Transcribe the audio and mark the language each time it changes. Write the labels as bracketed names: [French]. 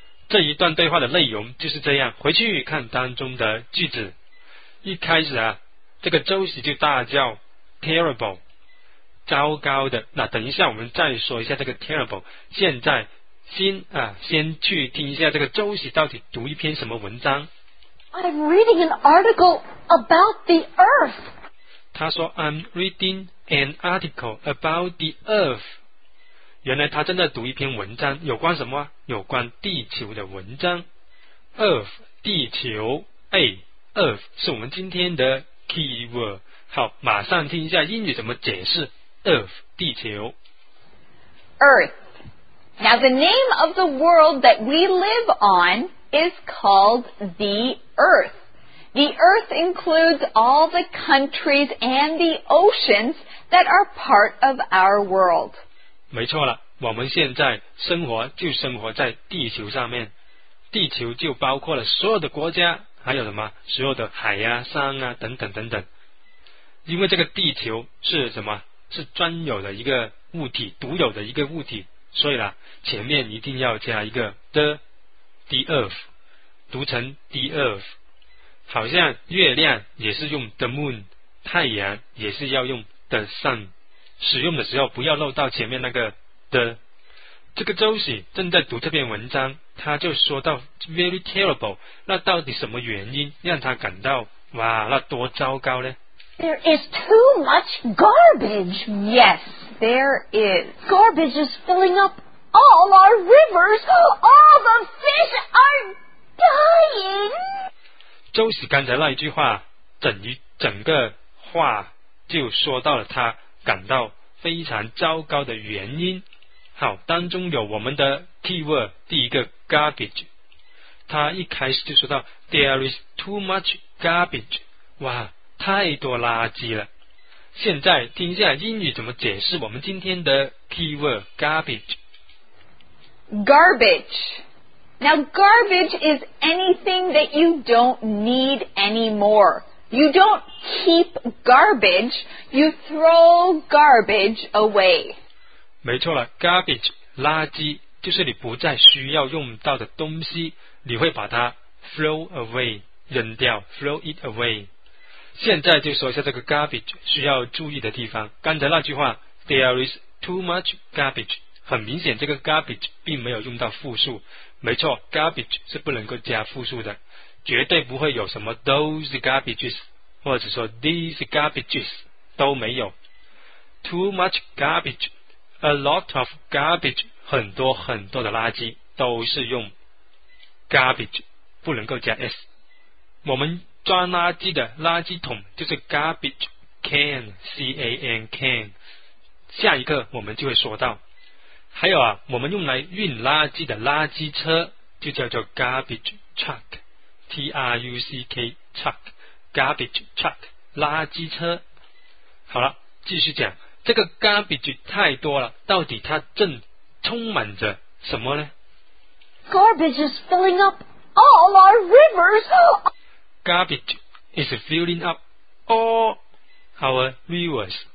[Chinese] 这一段对话的内容就是这样，回去看当中的句子。一开始啊，这个周喜就大叫 terrible， 糟糕的。那等一下我们再说一下这个 terrible， 现在先去听一下这个周喜到底读一篇什么文章。 [English] I'm reading an article about the earth. [Chinese] 他说 [English] I'm reading an article about the earth。 [Chinese] 原来他正在读一篇文章，有关什么？有关地球的文章。Earth， 地球。 Earth 是我们今天的 keyword。好，马上听一下英语怎么解释 Earth， 地球。 [English] Earth. Now the name of the world that we live on is called the Earth. The Earth includes all the countries and the oceans that are part of our world. [Chinese] 没错了，我们现在生活就生活在地球上面，地球就包括了所有的国家，还有什么所有的海啊、山啊等等等等。因为这个地球是什么？是专有的一个物体，独有的一个物体，所以呢，前面一定要加一个 the earth， 读成 the earth。好像月亮也是用 the moon， 太阳也是要用 the sun。使用的时候不要漏到前面那个的。这个周喜正在读这篇文章，他就说到 [English] very terrible， [Chinese] 那到底什么原因让他感到哇那多糟糕呢？ [English] There is too much garbage. Yes, there is. Garbage is filling up all our rivers. All the fish are dying. [Chinese] 周喜刚才那一句话整个话就说到了他感到非常糟糕的原因。好，当中有我们的 keyword， 第一个 garbage，他一开始就说到 [English] There is too much garbage. [Chinese] 哇，太多垃圾了。现在听一下英语怎么解释我们今天的 keyword garbage. [English] Garbage. Now garbage is anything that you don't need anymore. You don't keep garbage. You throw garbage away. [Chinese] 没错了， garbage 垃圾就是你不再需要用到的东西，你会把它 [English] throw away [Chinese] 扔掉， [English] throw it away。 [Chinese] 现在就说一下这个 garbage 需要注意的地方。刚才那句话 [English] There is too much garbage， [Chinese] 很明显这个 garbage 并没有用到复数。没错， garbage 是不能够加复数的，绝对不会有什么 [English] those garbages [Chinese] 或者说 [English] these garbages， [Chinese] 都没有。 [English] too much garbage， a lot of garbage， [Chinese] 很多很多的垃圾，都是用garbage， 不能够加 s。我们装垃圾的垃圾桶就是 [English] garbage can， [Chinese] C-A-N can。下一个我们就会说到，还有啊，我们用来运垃圾的垃圾车就叫做 [English] garbage truck， [Chinese] T-R-U-C-K truck， garbage truck 垃圾车。好了，继续讲，这个 garbage 太多了，到底它正充满着什么呢？ [English] Garbage is filling up all our rivers. Garbage is filling up all our rivers.